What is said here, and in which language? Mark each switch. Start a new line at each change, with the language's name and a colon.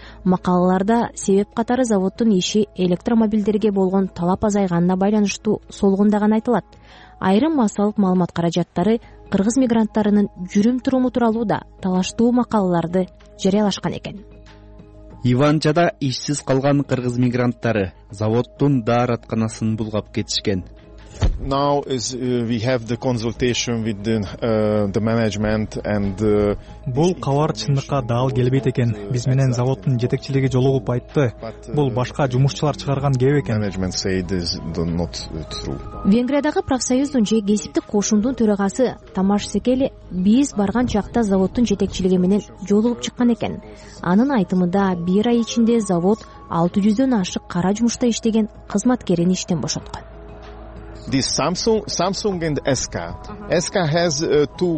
Kyrgyz: Макалаларда себеп катары заводдун иши электромобилдерге болгон талап азайганына байланыштуу солгундаган айтылат. Айрым массалык маалымат каражаттары кыргыз мигранттарынын жүрүм туруму тууралуу да талаштуу макалаларды жарыялашкан экен. Иванчада ишсиз калган кыргыз мигранттары заводдун дааратканасын булгап кетишкен.
English: Now is we have the consultation with the management and
Kyrgyz: бул кабар чындыкка дал келбейт экен. Биз менен заводдун жетекчилиги жолугуп айтты. Бул башка жумушчулар чыгарган кеп экен.
English: Management said is not true.
Kyrgyz: Венгриядагы профсоюздун же кесиптик кошумдун төрагасы Тамаш Секели биз барган чакта заводдун жетекчилиги менен жолугуп чыккан экен. Анын айтымында бир ай ичинде завод 600'дөн ашык кара жумушта иштеген кызматкерин иштен бошоткон.
English: This Samsung and SK. SK has two